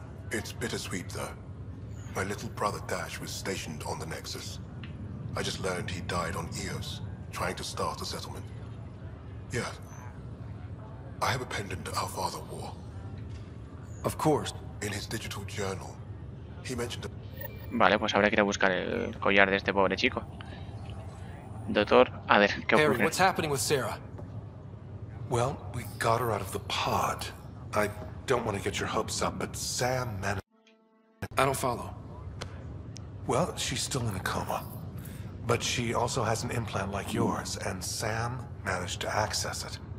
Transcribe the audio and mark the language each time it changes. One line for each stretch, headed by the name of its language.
English: It's bittersweet though. My little brother Dash was stationed on the Nexus. I just learned he died on Eos, trying to start a settlement. Yeah. I have a pendant to our father War. Of course. In his digital journal, he mentioned a.
Spanish: Vale, pues habrá que ir a buscar el collar de este pobre chico. Doctor, a ver, ¿qué ocurre?
English: Harry, what's happening with Sarah? Well, we got her out of the pod. I don't want to get your hopes up, but Sam managed. I don't follow. Well, she's still in a coma. But she also has an implant like yours, and Sam managed to access it.